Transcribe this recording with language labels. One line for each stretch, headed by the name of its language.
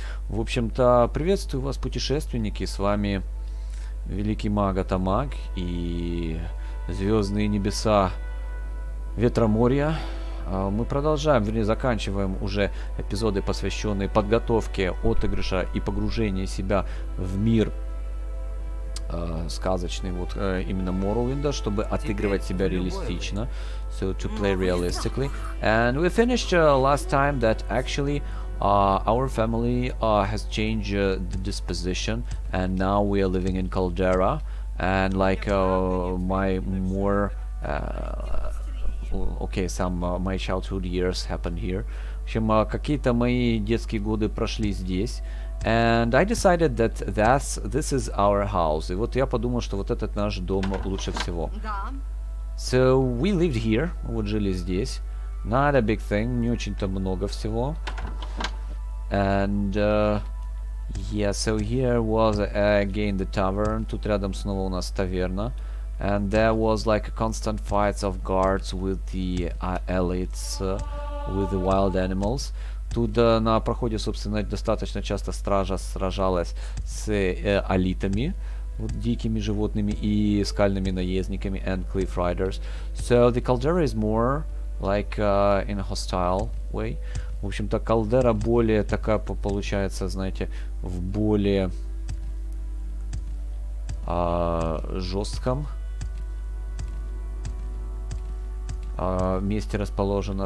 Russian: В общем-то, приветствую вас, путешественники. С вами великий маг Атамаг и звездные небеса Ветроморья. Мы продолжаем, вернее, заканчиваем уже эпизоды, посвященные подготовке отыгрыша и погружению себя в мир сказочный, вот именно Morrowind'а, чтобы отыгрывать себя реалистично.
English: So to play realistically, and we finished last time that actually our family has changed the disposition, and now we are living in Caldera, and like my childhood years happened here.
Russian: В общем, какие-то мои детские годы прошли здесь.
English: And I decided that this is our house.
Russian: И вот я подумал, что вот этот наш дом лучше всего.
English: So we lived here.
Russian: Вот жили здесь.
English: Not a big thing.
Russian: Не очень-то много всего.
English: And so here was again the tavern.
Russian: Тут рядом снова у нас таверна.
English: And there was like a constant fights of guards with the elites, with the wild animals.
Russian: Тут на проходе, собственно, достаточно часто стража сражалась с элитами. Вот дикими животными и скальными наездниками
English: and cliff riders. So the caldera is more like in a hostile way.
Russian: В общем-то, калдера более такая получается, знаете, в более жестком месте расположена.